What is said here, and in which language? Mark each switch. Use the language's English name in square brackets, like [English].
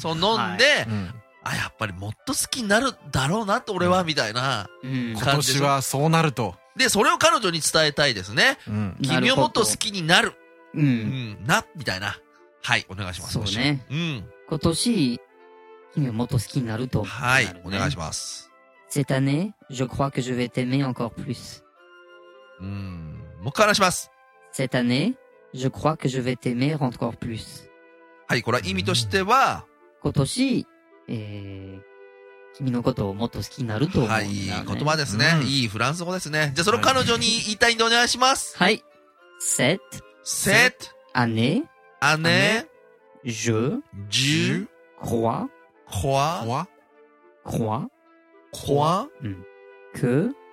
[Japanese] そう、飲んで、はい、あ、やっぱりもっと好きになるだろうなって俺は、みたいな、今年はそうなると。でそれを彼女に伝えたいですね、君をもっと好きになる、なみたいな。はい、お願いします。そうね、今年君をもっと好きになると。はい、お願いします。 [French] Cette année je crois que je vais t'aimer encore plus。 [Japanese] もう一回話します。 [French] Cette année, je crois que je vais t'aimer encore plus. [Japanese] はい、これは意味としては、今年、君のことをもっと好きになると思うんだね。はい、言葉ですね、いいフランス語ですね。じゃあその彼女に言いたいんでお願いします。はい。 [French] Cette année, je crois que